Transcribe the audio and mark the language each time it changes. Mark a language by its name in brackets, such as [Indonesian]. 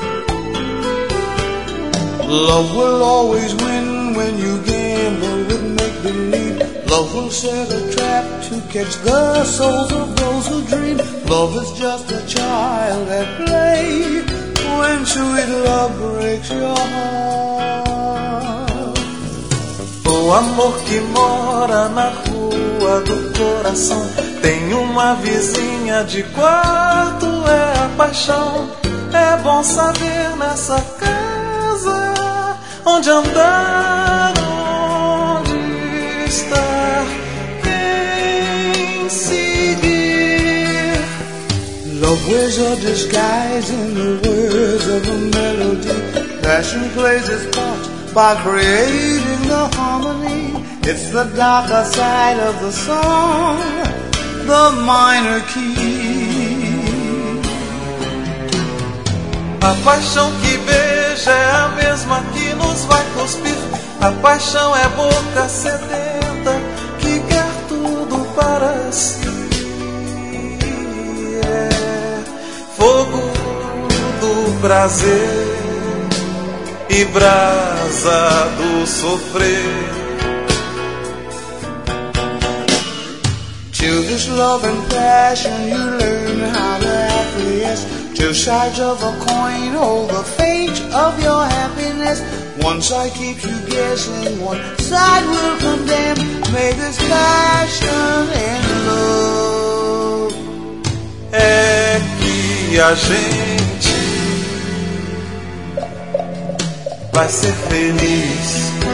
[English] Love will always win when you gamble with make-believe. Love will set a trap to catch the souls of those who dream. Love is just a child at play when sweet love breaks your heart. [Portuguese] O amor que mora na rua do coração tem uma vizinha de quarto, é a paixão. É bom saber nessa casa onde andar, onde estar, quem seguir. [English] Love wears a disguise in the words of a melody. Passion plays its part by creating the harmony. It's the darker side of the song, the minor key. [Portuguese] A paixão que beija é a mesma que nos vai cuspir. A paixão é boca sedenta que quer tudo para si. É fogo do prazer e brasa do sofrer. [English] To this love and passion you learn how to acquiesce. Two sides of a coin hold the fate of your happiness. One side keeps you guessing, one side will condemn. May this passion end love. [Portuguese] É que a gente vai ser feliz.